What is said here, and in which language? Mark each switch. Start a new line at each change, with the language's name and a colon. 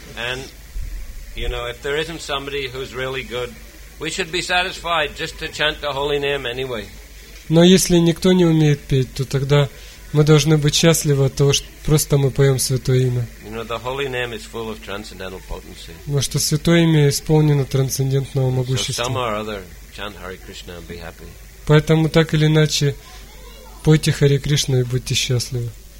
English: And you know, if there isn't somebody who's really good, we should be satisfied just to chant the holy name anyway.
Russian: Но если никто не умеет петь, то тогда мы должны быть счастливы от того, что просто мы поем святое имя.
English: You know, the holy name is full of transcendental potency.
Russian: Потому что святое имя исполнено трансцендентного могущества.
English: So somehow or other, chant Hare Krishna and be happy.
Russian: Поэтому так или иначе, пойте Харе Кришну и будьте счастливы.